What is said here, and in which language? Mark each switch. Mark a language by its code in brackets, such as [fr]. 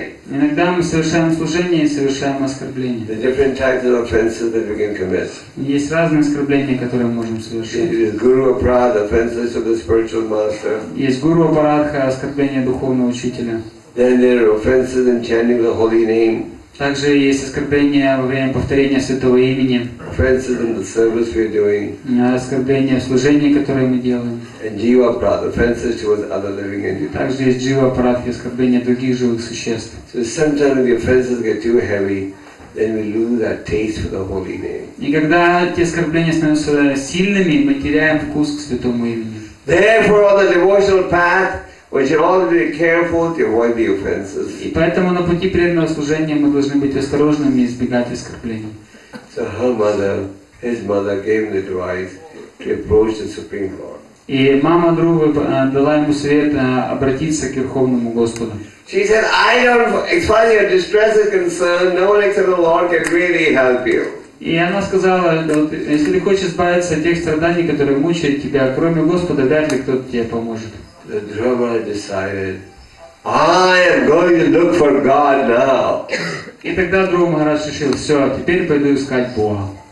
[ru] Иногда мы совершаем служение и совершаем оскорбление. [en] The different types of offenses that we can commit. [ru] Есть разные оскорбления, которые мы можем совершать. [en] It is guru aparadha, offenses of the spiritual master. [ru] Есть guru aparadha, оскорбление духовного учителя. [en] Then there are offenses in chanting the holy name. [ru] Также есть оскорбления во время повторения святого имени. [en] Offenses in the service we're doing. [ru] Оскорбления в служении, которое мы делаем. [en] And jiva aparadha, offenses towards other living entities. [ru] Также есть jiva aparadha, оскорбления других живых существ. [en] So sometimes the offenses get too heavy, then we lose our taste for the holy name. [ru] И когда эти оскорбления становятся сильными, мы теряем вкус к святому имени. [en] Therefore, on the devotional path, we should all be careful to avoid the offenses. [ru] И поэтому на пути преданного служения мы должны быть осторожными и избегать оскорблений. [en] So her mother, his mother, gave him the advice to approach the Supreme Lord. [ru] И мама друга дала ему совет обратиться к Верховному Господу. [en] She said, "I don't. As far as your distress is concerned, no one except the Lord can really help you." [ru] И она сказала, если ты хочешь избавиться от тех страданий, которые мучают тебя, кроме Господа, вряд ли кто-то тебе поможет. [en] The Dhruva decided, "I am going to look for God now." [ru] И тогда Дхрува Махарадж решил, все, теперь пойду искать Бога.